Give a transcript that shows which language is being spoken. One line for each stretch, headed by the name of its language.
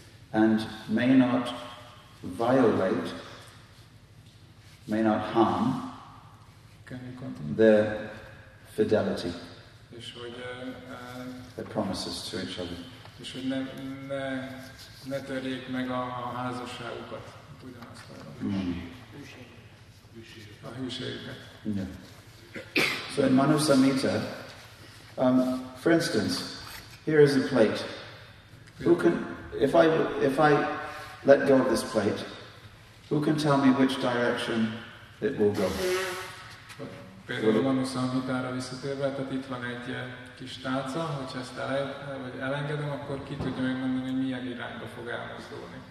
English: And may not violate, may not harm their fidelity.
Hungarian: És hogy
English: their promises to each other.
Hungarian: És hogy ne törjék meg a házasságukat, ugyanazt a hűségüket.
English: Yeah. So in Manu Samhita, for instance, here is a plate. Who can, if I let go of this plate, who can tell me which direction it will go?
Hungarian: Például a Manu Samhitára visszatérve, tehát itt van egy kis tálca, hogyha ezt elengedem, akkor ki tudja megmondani, hogy milyen irányba fog elmozdulni.